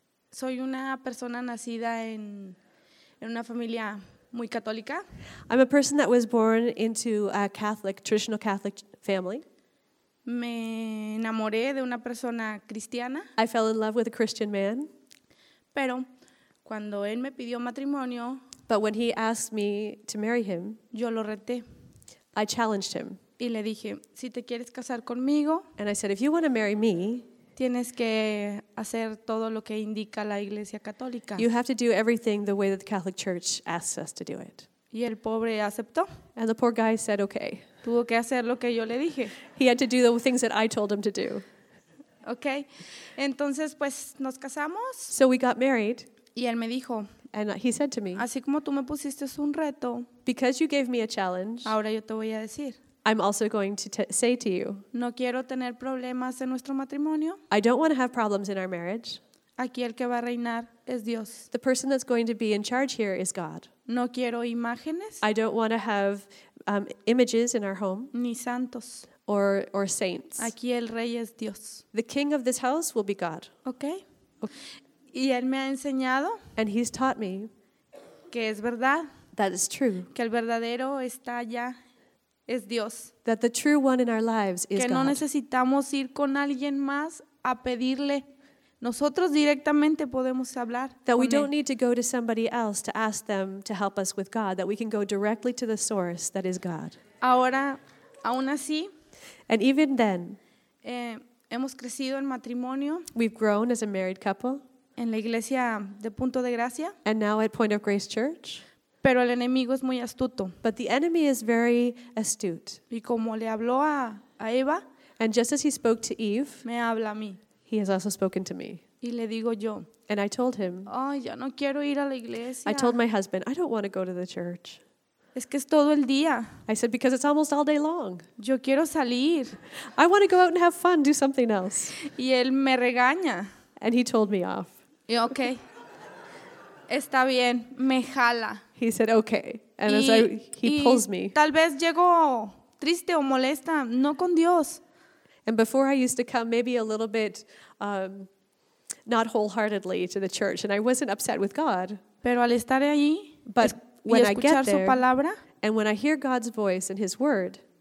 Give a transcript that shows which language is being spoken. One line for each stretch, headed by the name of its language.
Spanish: Soy una persona nacida en una familia muy católica.
English: I'm a person that was born into a Catholic, traditional Catholic family.
Spanish: Me enamoré de una persona cristiana.
English: I fell in love with a Christian man.
Spanish: Pero cuando él me pidió matrimonio,
English: but when he asked me to marry him,
Spanish: yo lo reté.
English: I challenged him.
Spanish: Y le dije, si te quieres casar conmigo,
English: and I said, if you want to marry me,
Spanish: tienes que hacer todo lo que indica la Iglesia Católica.
English: You have to do everything the way that the Catholic Church asks us to do it.
Spanish: Y el pobre aceptó.
English: And the poor guy said, okay.
Spanish: Tuvo que hacer lo que yo le dije.
English: He had to do the things that I told him to do.
Spanish: Okay. Entonces, pues, nos casamos.
English: So we got married.
Spanish: Y él me dijo.
English: And he said to me.
Spanish: Así como tú me pusiste un reto.
English: Because you gave me a challenge.
Spanish: Ahora yo te voy a decir.
English: I'm also going to say to you.
Spanish: No quiero tener problemas en nuestro matrimonio.
English: I don't want to have problems in our marriage.
Spanish: Aquí el que va a reinar es Dios.
English: The person that's going to be in charge here is God.
Spanish: No quiero imágenes.
English: I don't want to have images in our home.
Spanish: Ni santos.
English: Or saints.
Spanish: Aquí el rey es Dios.
English: The king of this house will be God.
Spanish: Okay. Y él me ha enseñado.
English: And he's taught me.
Spanish: Que es verdad.
English: That is true.
Spanish: Que el verdadero está allá. Es Dios.
English: That the true one in our lives is
Spanish: God. Que no necesitamos ir con alguien más a pedirle. Nosotros directamente podemos hablar.
English: That we don't need to go to somebody else to ask them to help us with God. That we can go directly to the source that is God.
Spanish: Ahora, aún así.
English: And even then.
Spanish: Hemos crecido en matrimonio.
English: We've grown as a married couple.
Spanish: En la iglesia de Punto de Gracia.
English: And now at Point of Grace Church.
Spanish: Pero el enemigo es muy astuto.
English: But the enemy is very astute.
Spanish: Y como le habló a Eva,
English: and just as he spoke to Eve,
Spanish: me habla a mí.
English: He has also spoken to me.
Spanish: Y le digo yo.
English: And I told him,
Spanish: ay, yo no quiero ir a la iglesia.
English: I told my husband, I don't want to go to the church.
Spanish: Es que es todo el día.
English: I said, because it's almost all day long.
Spanish: Yo quiero salir.
English: I want to go out and have fun, do something else.
Spanish: Y él me regaña.
English: And he told me off.
Spanish: Y okay. Está bien, me jala.
English: He said, okay. And as he pulls me.
Spanish: Tal vez llego triste o molesta, no con Dios.
English: And before I used to come maybe a little bit not wholeheartedly to the church, and I wasn't upset with God.
Spanish: Pero al estar allí,
English: but when I get there,
Spanish: su palabra,
English: and when I hear God's voice and His word,